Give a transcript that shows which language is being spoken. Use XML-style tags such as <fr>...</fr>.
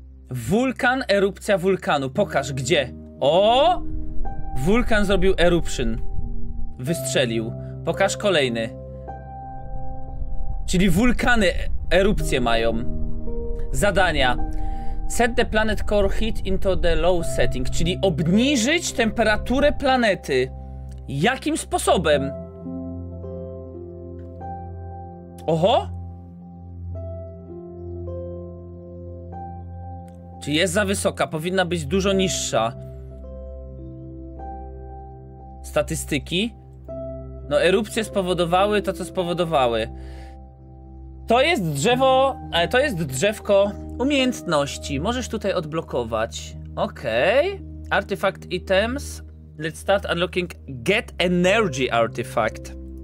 <pl>Wulkan, erupcja wulkanu. Pokaż, gdzie? O! Wulkan zrobił eruption. Wystrzelił. Pokaż kolejny. Czyli wulkany erupcje mają. Zadania.</pl> <en>Set the planet core heat into the low setting.</en> <pl>Czyli obniżyć temperaturę planety. Jakim sposobem? Oho! Czy jest za wysoka? Powinna być dużo niższa. Statystyki? No, erupcje spowodowały to, co spowodowały. To jest drzewo... to jest drzewko umiejętności. Możesz tutaj odblokować.</pl> <en>Okej. Okay. Artifact items. Let's start unlocking Get Energy Artifact.</en>